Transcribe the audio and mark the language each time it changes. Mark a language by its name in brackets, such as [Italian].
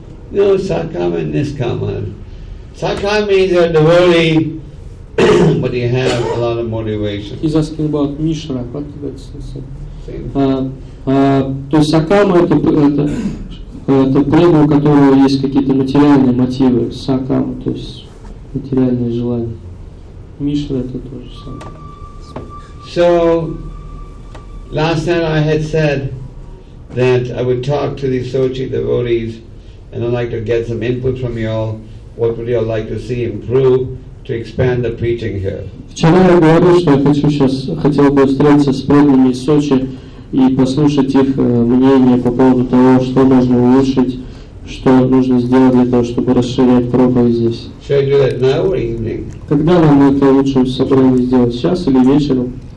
[English] No, Сакама and Нискама. Сакама is a devotee, but he has a lot of motivation. He's asking about Мишра. What did that say? Same. [Russian] То есть Сакама это преданный, у которого есть какие-то материальные мотивы. Сакама, то есть материальные желания. Мишра это тоже самое. [English] So last night I had said that I would talk to the Sochi devotees and I'd like to get some input from you all. What would you all like to see improve to expand the preaching here. [Russian] Вчера я говорил, что я хочу сейчас хотел бы встретиться с преданными из Сочи и послушать их мнение по поводу того, что можно улучшить, что нужно сделать для того, чтобы расширять проповедь здесь. [English] Should I do that now or evening? [Russian] Когда нам это лучше собрание сделать, сейчас или вечером?